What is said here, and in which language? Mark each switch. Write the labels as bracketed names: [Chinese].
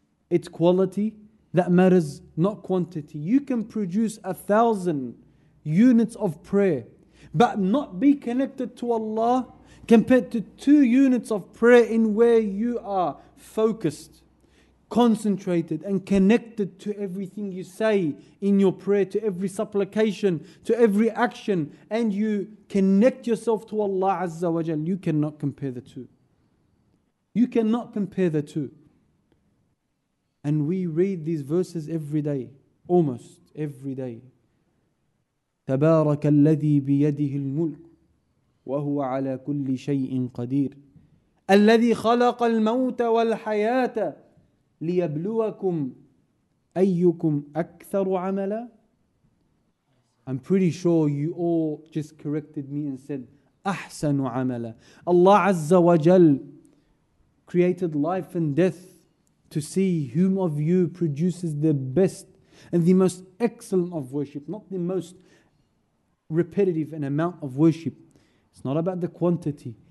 [English] It's quality that matters, not quantity. You can produce 1,000 units of prayer, but not be connected to Allah compared to 2 units of prayer in where you are focused, concentrated and connected to everything you say in your prayer, to every supplication, to every action, and you connect yourself to Allah Azza wa Jal. You cannot compare the two. You cannot compare the two. And we read these verses every day, almost every day. [Arabic] تبارك الذي بيده الملك وهو على كل شيء قدير الذي خلق الموت والحياة لِيَبْلُوَكُمْ أَيُّكُمْ أَكْثَرُ عَمَلًا. [English] I'm pretty sure you all just corrected me and said [Arabic] أَحْسَنُ عَمَلًا. [English] Allah Azza wa Jal created life and death to see whom of you produces the best and the most excellent of worship, not the most repetitive in amount of worship. It's not about the quantity,